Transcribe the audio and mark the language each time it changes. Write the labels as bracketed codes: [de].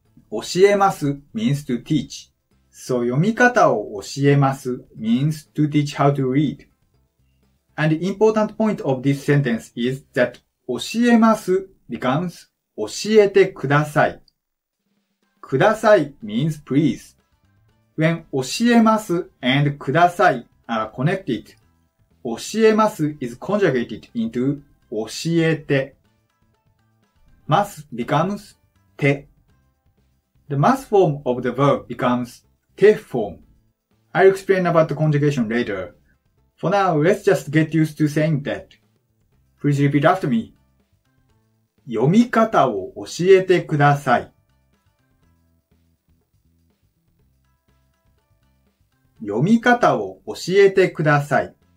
[en] 教えます means to teach. So [ja] 読み方を教えます [en] means to teach how to read. And the important point of this sentence is that 教えます becomes 教えてください。ください means please. When 教えます and ください are connected, 教えます is conjugated into教えて。ます becomes て。 The ます form of the verb becomes て form. I'll explain about the conjugation later. For now, let's just get used to saying that. Please repeat after me. [ja] 読み方を教えてください。読み方を教えてください。